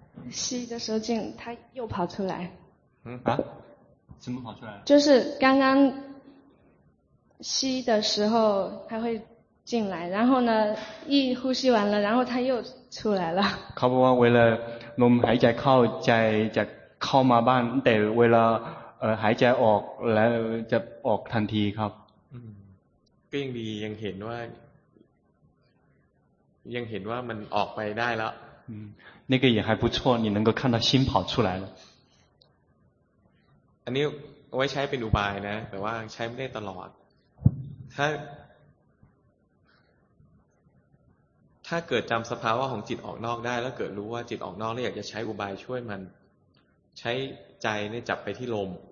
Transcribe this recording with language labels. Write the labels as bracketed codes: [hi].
[zh] 吸的时候进，它又跑出来。嗯啊？怎么跑出来？就是刚刚吸的时候，它会。进来然后呢一呼吸完了然后他又出来了 [th] เขาบอกว่าเวลาลมหายใจเข้าใจจะเข้ามาบ้านแต่เวลาหายใจออกแล้วจะออกทันทีครับ ก็ยังดียังเห็นว่ายังเห็นว่ามันออกไปได้แล้ว [zh] 那个也还不错你能够看到心跑出来了 [th] อันนี้ไว้ใช้เป็นอุบายนะแต่ว่าใช้ไม่ได้ตลอดถ้าเกิดจำสภาวะของจิตออกนอกได้แล้วเกิดรู้ว่าจิตออกนอกแล้วอยากจะใช้อุบายช่วยมันใช้ใจเนี่ยจับไปที่ลม